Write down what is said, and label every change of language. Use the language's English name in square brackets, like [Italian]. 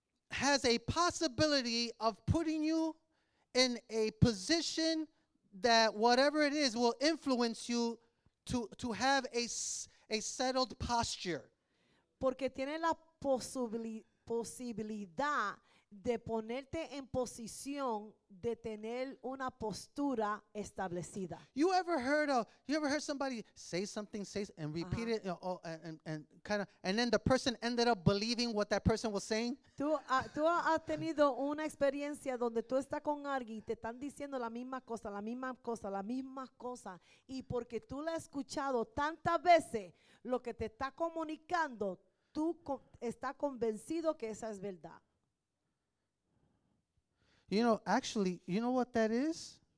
[English] has a possibility of putting you in a position that whatever it is will influence you to have a settled posture. [Spanish] Porque tiene la posibilidad de ponerte en posición de tener una postura establecida. [English] You ever heard somebody say something, say and repeat it, you know, and kind of, and then the person ended up believing what that person was saying? [Spanish] Tú has tenido una experiencia donde tú estás con alguien y te están diciendo la misma cosa, la misma cosa, la misma cosa, y porque tú la has escuchado tantas veces, lo que te está comunicando, tú estás convencido que esa es verdad. [English] You know, actually, you know what that is?